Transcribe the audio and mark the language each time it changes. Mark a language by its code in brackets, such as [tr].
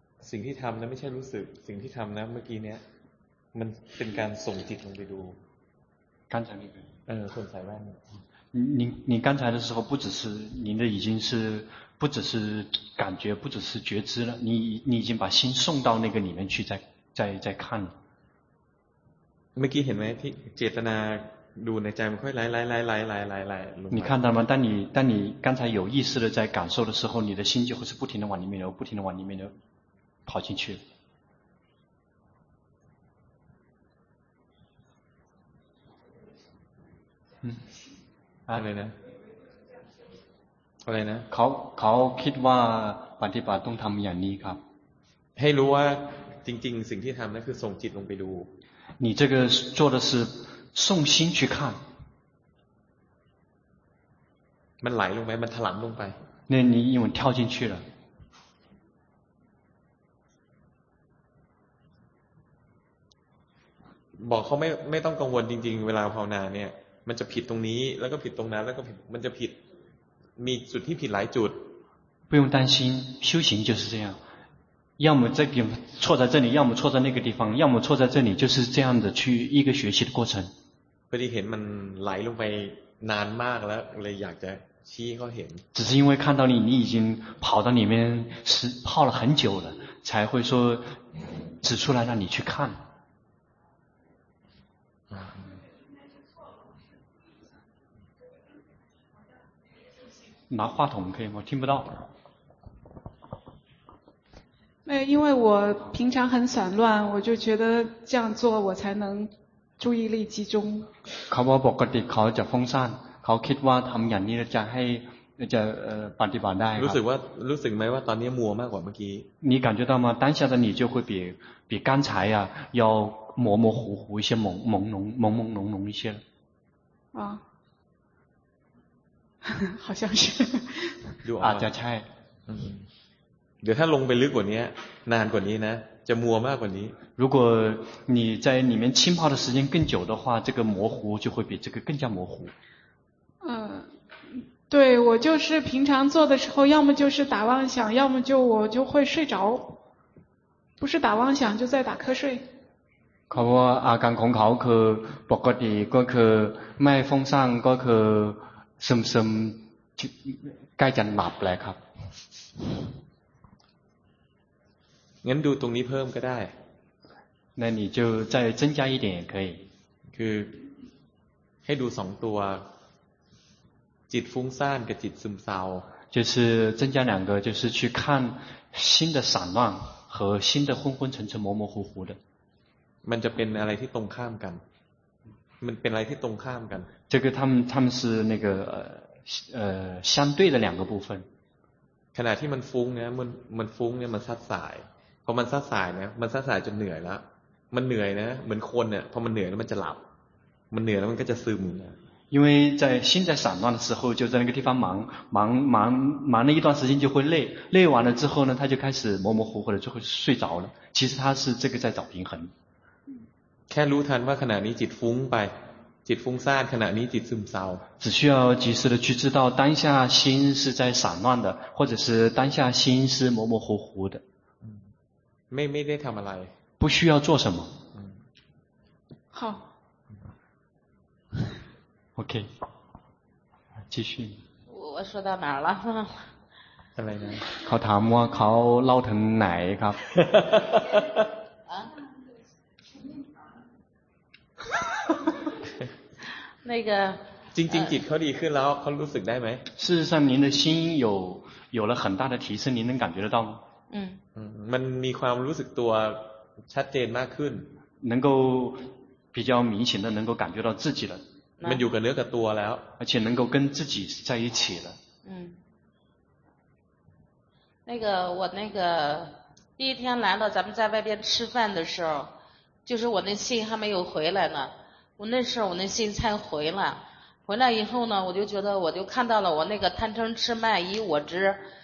[th] สิ่งที่ทำนะไม่ใช่รู้สึกสิ่งที่ทำนะเมื่อกี้เนี้ยมันเป็นการส่งจิตลงไปดู การใ ส่แว่นส่งสายแว่น [zh] 你刚才的时候不只是您的已经是不只是感觉不只是觉知了你已经把心送到那个里面去再看了 [th] เมื่อกี้เห็นไหมที่เจตนาดูในใจมันค่อยไล่ [zh] 你看到吗当你刚才有意识的在感受的时候你的心就会是不停的往里面流不停的往里面流跑进去了嗯啊那个那个那个考 [th] คิดว่าปฏิบัติต้องทำอย่างนี้ครับ ให้รู้ว่าจริงๆสิ่งที่ทำนั่นคือส่งจิตลงไปดู [zh] 你这个做的是送心去看 [th] มันไหลลงไปมันถลำลงไป [zh] 那你因为跳进去了 [th] บอกเขาไม่ต้องกังวลจริงๆเวลาภาวนาเนี่ยมันจะผิดตรงนี้แล้วก็ผิดตรงนั้นแล้วก็ผิดมันจะผิดมีจุดที่ผิดหลายจุด [zh] 不用担心修行就是这样要么这边错在这里要么错在那个地方要么错在这里就是这样的去一个学习的过程 [th] พอดีเห็นมันไหลลงไปนานมากแล้วเลยอยากจะชี้เขาเห็น [zh] 只是因为看到你已经跑到里面是泡了很久了才会说指出来让你去看拿话筒可以吗？听不到。没有，因为我平常很散乱，我就觉得这样做我才能注意力集中。 [th] เขาบอกปกติเขาจะฟุ้งซ่านเขาคิดว่าทำอย่างนี้จะให้จะปฏิบัติได้ รู้สึกว่ารู้สึกไหมว่าตอนนี้มัวมากกว่าเมื่อกี้ [zh] 你感觉到吗？当下的你就会比刚才呀、啊、要模模糊糊一些朦朦胧胧一些了。啊。好像是 [th] ดูอาจจะใช่ เดี๋ยวถ้าลงไปลึกกว่านี้นานกว่านี้นะจะมัวมากกว่านี้ [zh] 如果你在里面浸泡的时间更久的话这个模糊就会比这个更加模糊对我就是平常做的时候要么就是打妄想要么就我就会睡着不是打妄想就在打瞌睡 [th] เขาว่าอาการของเขาคือปกติก็คือไม่ฟุ้งซ่านก็คือซึมๆใกล้จะหลับแล้วครับ งั้นดูตรงนี้เพิ่มก็ได้ [zh] 那你就再增加一点也可以 [th] คือให้ดูสองตัวจิตฟุ้งซ่านกับจิตซึมเศร้า [zh] 就是增加两个就是去看心的散乱和心的昏昏沉沉模模糊糊的 [th] มันจะเป็นอะไรที่ตรงข้ามกันมันเป็นอะไรที่ตรงข้ามกัน [zh] 这个他们是那个相对的两个部分 [th] ขณะที่มันฟุ้งเนี่ยมันฟุ้งเนี่ยมันซัดสายพอมันซัดสายเนี่ยมันซัดสายจนเหนื่อยแล้วมันเหนื่อยนะเหมือนคนเนี่ยพอมันเหนื่อยแล้วมันจะหลับมันเหนื่อยแล้วมันก็จะซึมนะ [zh] 因为在心在散乱的时候就在那个地方忙那一段时间就会累完了之后呢他就开始模模糊糊的就会睡着了其实他是这个在找平衡 [th] แค่รู้ทันว่าขณะนี้จิตฟุ้งไปจิตฟุ้งซ่านขณะนี้จิตซึมเศร้า [zh] 只需要及时的去知道当下心是在散乱的或者是当下心是模模糊糊的 [th] ไม่ได้ทำอะไร [zh] 不需要做什么好 OK 继续我说到哪儿了 [th] อะไรนะ เขาถามว่าเขาเล่าถึงไหนครับ [zh] 那个 [th] จริงจริงจิตเขาดีขึ้นแล้วเขารู้สึกได้ไหม [zh] 事实上您的心有了很大的提升您能感觉得到吗 [th] มันมีความรู้สึกตัวชัดเจนมากขึ้น [zh] 能够比较明显的能够感觉到自己了 [th] มันอยู่กับเนื้อกับตัวแล้ว [zh] 而且能够跟自己在一起了嗯那个我那个第一天来到咱们在外边吃饭的时候就是我那信还没有回来呢我那时候我那信才回来回来以后呢我就觉得我就看到了我那个贪嗔痴慢疑我执